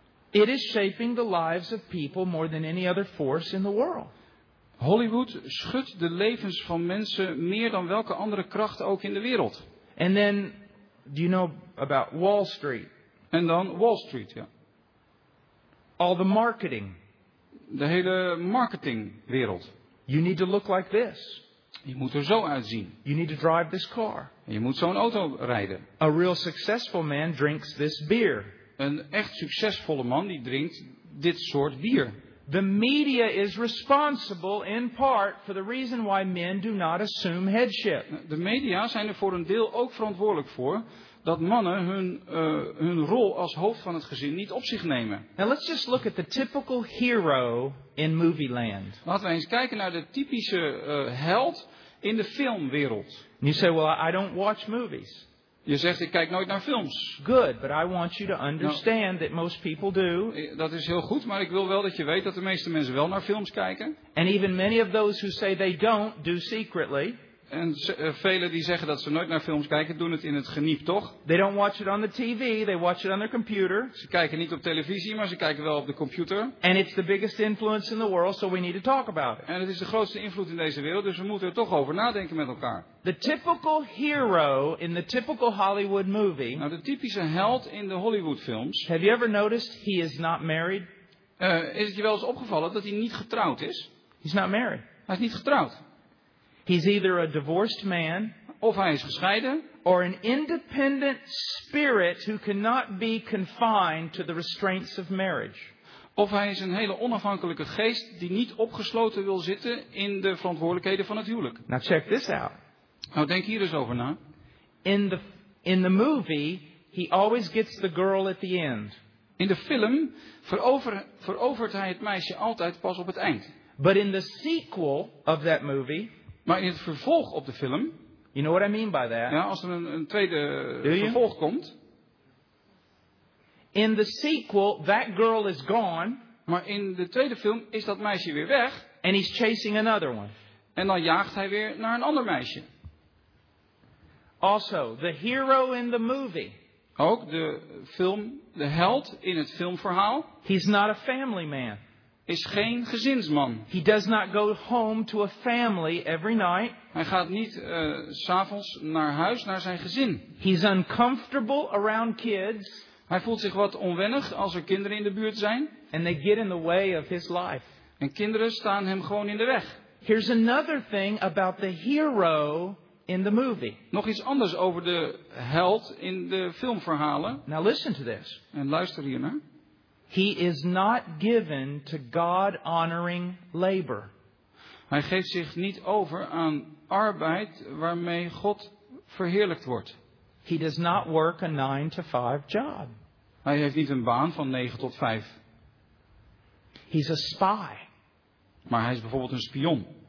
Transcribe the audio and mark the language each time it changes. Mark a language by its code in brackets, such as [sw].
[en] It is shaping the lives of people more than any other force in the world. [nl] Hollywood schudt de levens van mensen meer dan welke andere kracht ook in de wereld. [en] And then, do you know about Wall Street? [nl] En dan Wall Street, ja. [en] All the marketing. [nl] De hele marketingwereld. [en] You need to look like this. [nl] Je moet er zo uitzien. [en] You need to drive this car. [nl] Je moet zo'n auto rijden. [en] A real successful man drinks this beer. [nl] Een echt succesvolle man die drinkt dit soort bier. [en] The media is responsible in part for the reason why men do not assume headship. [nl] De media zijn er voor een deel ook verantwoordelijk voor dat mannen hun rol als hoofd van het gezin niet op zich nemen. [en] Now let's just look at the typical hero in movie land. [nl] Laten we eens kijken naar de typische held in de filmwereld. [en] And you say, well, I don't watch movies. [nl] Je zegt, ik kijk nooit naar films. [en] Good, but I want you to understand that most people do. [nl] Dat is heel goed, maar ik wil wel dat je weet dat de meeste mensen wel naar films kijken. [en] And even many of those who say they don't do secretly. [nl] En velen die zeggen dat ze nooit naar films kijken, doen het in het geniep, toch? [en] They don't watch it on the TV, they watch it on their computer. [nl] Ze kijken niet op televisie, maar ze kijken wel op de computer. [en] And it's the biggest influence in the world, so we need to talk about it. [nl] En het is de grootste invloed in deze wereld, dus we moeten er toch over nadenken met elkaar. [en] The typical hero in the typical Hollywood movie. [nl] Nou, de typische held in de Hollywood films. [en] Have you ever noticed he is not married? [nl] Is het je wel eens opgevallen dat hij niet getrouwd is? [en] He's not married. [nl] Hij is niet getrouwd. [en] He's either a divorced man, [nl] of hij is gescheiden, [en] or an independent spirit who cannot be confined to the restraints of marriage. [nl] Of hij is een hele onafhankelijke geest die niet opgesloten wil zitten in de verantwoordelijkheden van het huwelijk. [en] Now check this out. [nl] Nou, denk hier eens over na. [en] In the movie, he always gets the girl at the end. [nl] In de film verovert hij het meisje altijd pas op het eind. [en] But in the sequel of that movie. [nl] Maar in het vervolg op de film. [en] You know what I mean by that? [nl] Ja, als er een tweede vervolg komt. [en] In the sequel, that girl is gone. [nl] Maar in de tweede film is dat meisje weer weg. [en] And he's chasing another one. [nl] En dan jaagt hij weer naar een ander meisje. [en] Also, the hero in the movie. [nl] Ook de held in het filmverhaal. [en] He's not a family man. [nl] Is geen gezinsman. [en] He does not go home to a family every night. [nl] Hij gaat niet 's avonds naar huis naar zijn gezin. [en] He's uncomfortable around kids. [nl] Hij voelt zich wat onwennig als er kinderen in de buurt zijn. [en] And they get in the way of his life. [nl] En kinderen staan hem gewoon in de weg. [en] Here's another thing about the hero in the movie. [nl] Nog iets anders over de held in de filmverhalen. [en] Now listen to this. [nl] En luister hiernaar. [en] He is not given to God-honoring labor. [nl] Hij geeft zich niet over aan arbeid waarmee God verheerlijkt wordt. [en] He does not work a 9-to-5 job. [nl] Hij heeft niet een baan van 9 tot 5. [en] He's a spy. [nl] Maar hij is bijvoorbeeld een spion.